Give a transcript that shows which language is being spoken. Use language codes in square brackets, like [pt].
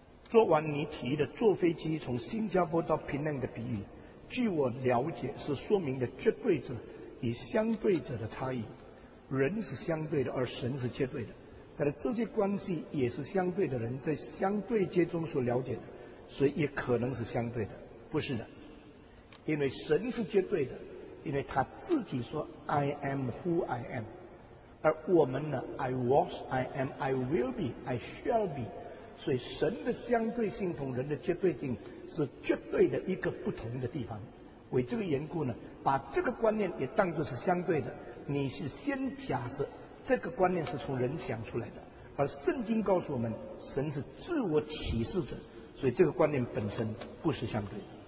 [zh] 昨晚你提的坐飞机从新加坡到槟城的比喻，据我了解是说明的绝对者与相对者的差异。人是相对的，而神是绝对的，但是这些关系也是相对的，人在相对界中所了解的，所以也可能是相对的。不是的，因为神是绝对的，因为他自己说 [en] I am who I am， [zh] 而我们呢 [en] I was I am I will be I shall be。 [zh] 所以神的相对性同人的绝对性是绝对的一个不同的地方。为这个缘故呢，把这个观念也当作是相对的，你是先假设这个观念是从人想出来的，而圣经告诉我们神是自我启示者，所以这个观念本身不是相对的。